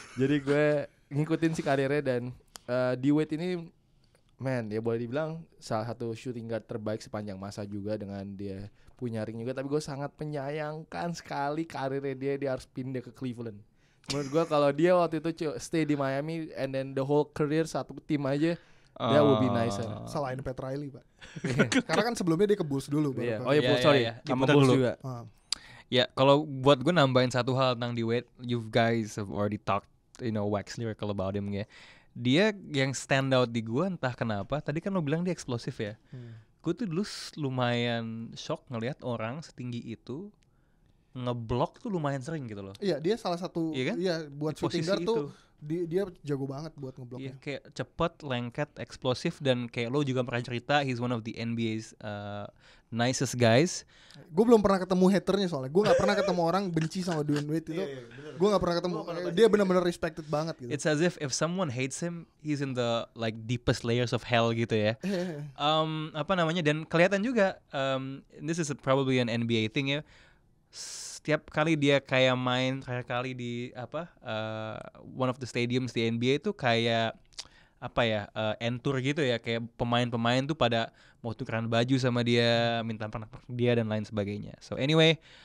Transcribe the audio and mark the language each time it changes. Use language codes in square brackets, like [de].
[id] Jadi gue ngikutin si karirnya, dan D-Wade ini, man, ya boleh dibilang salah satu shooting guard terbaik sepanjang masa juga, dengan dia punya ring juga. Tapi gue sangat menyayangkan sekali karirnya dia harus pindah ke Cleveland. Menurut gue kalau dia waktu itu stay di Miami [en] and then the whole career [id] satu tim aja, [en] that would be nicer. [id] Selain Pat Riley, Pak. Karena kan sebelumnya dia ke Bulls dulu. Yeah. Oh iya, Bulls, sorry. Sama Bulls juga. Ya, kalau buat gue nambahin satu hal tentang D-Wade, [en] you guys have already talked, you know, wax lyrical about him [id] ya. Dia yang stand out di gue entah kenapa, tadi kan lo bilang dia eksplosif ya. Gue tuh dulu lumayan shock ngelihat orang setinggi itu ngeblok tuh lumayan sering gitu loh. Iya, dia salah satu, iya kan? Iya, buat di shooting guard itu. Tuh dia jago banget buat ngebloknya. Iya, kayak cepet, lengket, eksplosif, dan kayak lo juga pernah cerita, [en] he's one of the NBA's nicest guys. [id] Gue belum pernah ketemu haternya soalnya. Gue gak pernah ketemu orang benci sama Dwayne Wade itu. Gue gak pernah ketemu, dia benar-benar respected banget gitu. [en] It's as if someone hates him, he's in the like deepest layers of hell [id] gitu ya. Apa namanya, dan kelihatan juga, [en] this is probably an NBA thing [id] ya. Setiap kali dia kayak main, terakhir kali di apa, one of the stadiums di NBA itu kayak apa ya, entur gitu ya, kayak pemain-pemain tuh pada mau tukeran baju sama dia, minta pernak-pernik dia dan lain sebagainya. [en] So anyway,